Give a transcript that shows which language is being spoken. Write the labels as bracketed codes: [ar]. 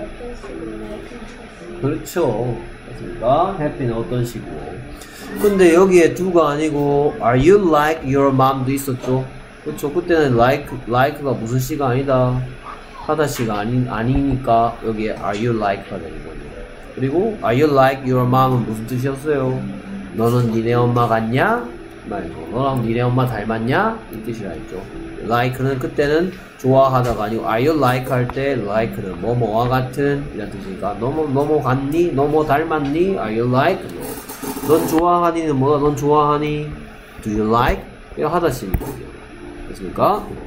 [ko] 어떤 식으로 그렇죠. happy는 어떤 식으로 근데 여기에 do가 아니고 [en] are you like your mom [ko] 도 있었죠? 그쵸? 그때는 like가 무슨 시가 아니다 하다 시가 아니니까 여기에 [en] are you like [ko] 가 되는 거예요. 그리고 [en] Are you like your mom [ko] 은 무슨 뜻이었어요? 너는 니네 엄마 같냐? 말고 너랑 니네 엄마 닮았냐? 이 뜻이라 했죠. Like는 그때는 좋아하다가 아니고 [en] Are you like [ko] 할 때 like는 뭐뭐와 같은 이런 뜻이니까 너뭐 같니? 너뭐 닮았니? [en] Are you like? [ko] 넌 좋아하니는 뭐다? 넌 좋아하니? [en] Do you like? [ko] 이거 하다시는 거예요. 됐습니까?